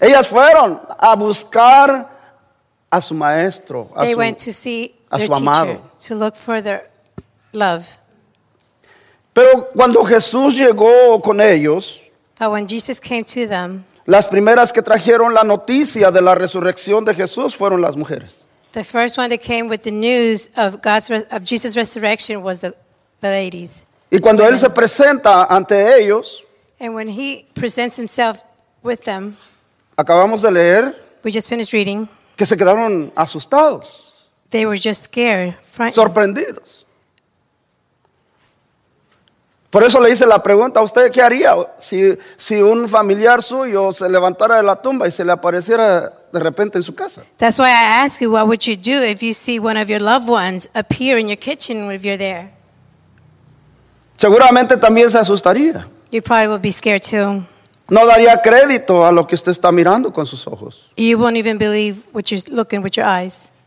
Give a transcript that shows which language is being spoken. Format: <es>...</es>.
<es>Ellas fueron a buscar a su maestro, a</es> <en>they</en> <es>su,</es> <en>went to see</en> <es>a</es> <en>their</en> <es>su amado.</es> <en>Teacher, to look for their love.</en> <es>Pero cuando Jesús llegó con ellos,</es> <en>but when Jesus came to them,</en> <es>las primeras que trajeron la noticia de la resurrección de Jesús fueron las mujeres.</es> <en>The first one that came with the news of Jesus' resurrection was the ladies.</en> <es>Y cuando Él se presenta ante ellos,</es> <en>and when He presents Himself with them,</en> <es>acabamos de leer,</es> <en>we just finished reading,</en> <es>que se quedaron asustados.</es> <en>They were just scared, frightened.</en> <es>Sorprendidos. Por eso le hice la pregunta a usted, ¿qué haría si un familiar suyo se levantara de la tumba y se le apareciera de repente en su casa?</es> <en>That's why I ask you, what would you do if you see one of your loved ones appear in your kitchen if you're there?</en> <es>Seguramente también se asustaría.</es> <en>You probably will be scared too.</en> <es>No daría crédito a lo que usted está mirando con sus ojos.</es> <en>You won't even believe what you're looking with your eyes.</en>